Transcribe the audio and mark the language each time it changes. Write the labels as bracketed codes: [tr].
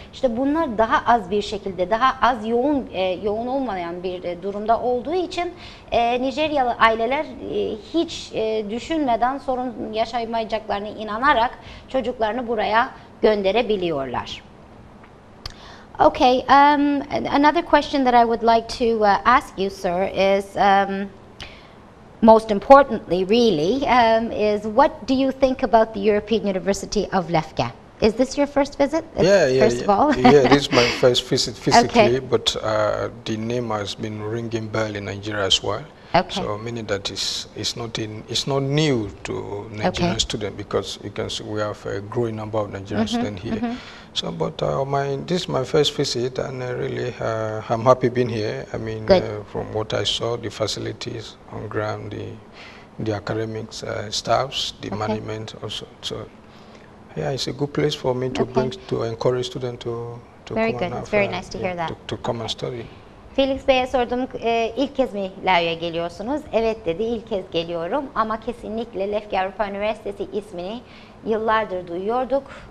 [tr] İşte bunlar daha az bir şekilde, daha az yoğun olmayan bir durumda olduğu için Nijeryalı aileler hiç düşünmeden sorun yaşamayacaklarına inanarak çocuklarını buraya gönderebiliyorlar. [en] Okay, another question that I would like to ask you, sir, is most importantly, really, is what do you think about the European University of Lefke? Is this your first visit? First of all? Yeah, this is my first visit physically, okay. But the name has been ringing bell in Nigeria as well. Okay. So meaning that it's not new to Nigerian okay. students, because you can see we have a growing number of Nigerian mm-hmm, students here. Mm-hmm. So, but this is my first visit, and I'm happy being here. I mean, from what I saw, the facilities on ground, the academics, staffs, the okay. management also. So, yeah, it's a good place for me to okay. bring to encourage students to very come good. And it's very nice to hear that. To come and study. [tr] Felix Bey'e sordum, ilk kez mi Lefke'ye geliyorsunuz? Evet dedi, ilk kez geliyorum. Ama kesinlikle Lefke Avrupa Üniversitesi ismini yıllardır duyuyorduk.